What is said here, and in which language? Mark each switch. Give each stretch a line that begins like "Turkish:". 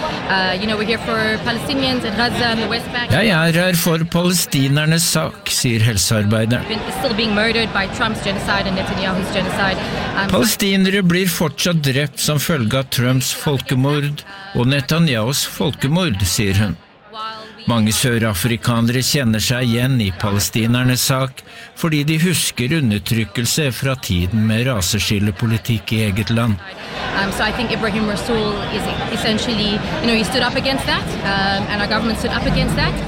English: We're here for Palestinians in Gaza and the West Bank.
Norwegian: Jeg her for palestinernes sak, sier helsearbeider.
English: Still being murdered by Trump's genocide and Netanyahu's genocide.
Norwegian: Palestinere blir fortsatt drept som følge av Trumps folkemord og Netanyahu's folkemord, sier hun. Mange sørafrikanere kjenner seg igjen i palestinernes sak, fordi de husker undertrykkelse fra tiden med raseskillepolitikk i eget land.
English: So I think Ibrahim Rasool is essentially, he stood up against that, and our government stood up against that.